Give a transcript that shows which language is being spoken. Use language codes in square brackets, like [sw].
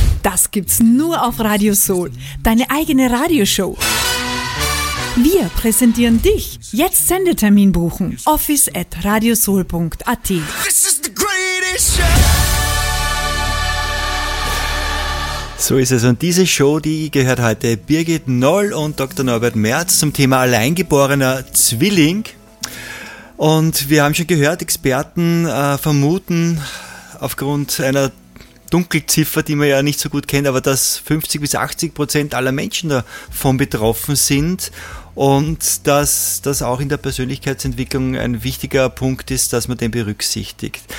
[de] Das gibt's nur auf Radio Soul. Deine eigene Radioshow. Wir präsentieren dich. Jetzt Sendetermin buchen. office@radiosoul.at. [en] This is the greatest show. [de] So ist es. Und diese Show, die gehört heute Birgit Noll und Dr. Norbert Merz zum Thema alleingeborener Zwilling. Und wir haben schon gehört, Experten vermuten aufgrund einer Dunkelziffer, die man ja nicht so gut kennt, aber dass 50-80% aller Menschen davon betroffen sind und dass das auch in der Persönlichkeitsentwicklung ein wichtiger Punkt ist, dass man den berücksichtigt.